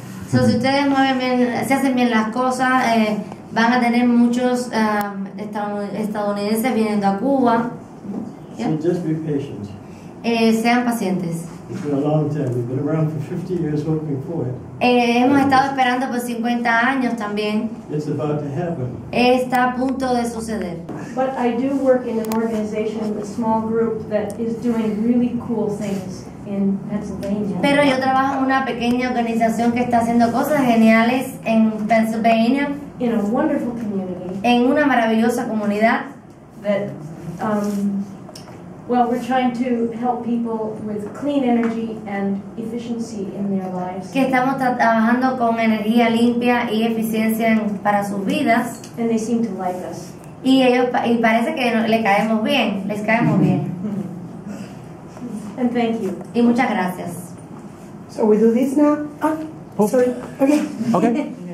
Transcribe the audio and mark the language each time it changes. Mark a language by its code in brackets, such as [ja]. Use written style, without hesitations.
[es] Si ustedes mueven bien, si hacen bien las cosas, van a tener muchos estadounidenses viniendo a Cuba. [en] Yeah? So just be patient. [es] Sean pacientes. [en] It's been a long time. We've been around for 50 years hoping for it. [es] Hemos estado esperando por 50 años también. [en] It's about to happen. [es] Está a punto de suceder. [en] But I do work in an organization, a small group that is doing really cool things. [es] Pero yo trabajo en una pequeña organización que está haciendo cosas geniales en Pennsylvania. [en] In a wonderful community. [es] En una maravillosa comunidad. [en] That, we're trying to help people with clean energy and efficiency in their lives. [es] Que estamos trabajando con energía limpia y eficiencia para sus vidas. [en] And they seem to like us. [es] Y parece que les caemos bien. [en] And thank you. [es] Y muchas gracias. [en] So we do this now? Oh, oh. Sorry. Okay.